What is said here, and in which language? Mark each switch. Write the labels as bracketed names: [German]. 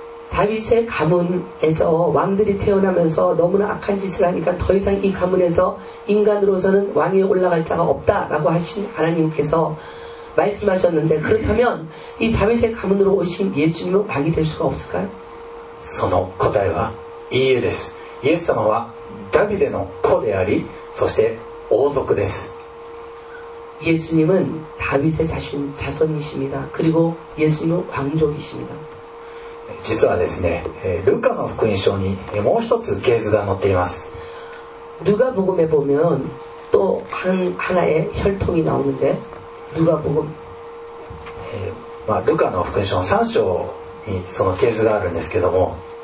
[Korean] ダビデ가문에서왕들이태어나면서너무나악한짓을하니까더이상이가문에서인간으로서는왕에올라갈자가없다라고하신하나님께서말씀하셨는데그렇다면이다윗의가문으로오신예수님은왕이될수가없을까요？ [Japanese] その答えは이해です。イエス様はダビデの子でありそして王族です。 [Korean] 예수님은다윗의자손이십니다。 그리고예수님은왕족이십니다。 [Japanese] 実はですね、ルカの福音書にもう一つ系図が載っています。 [Korean] ルカ복음에보면또하나의혈통이나오는데ルカ복음、 [Japanese] まあ、ルカの福音書の3章にその系図があるんですけども、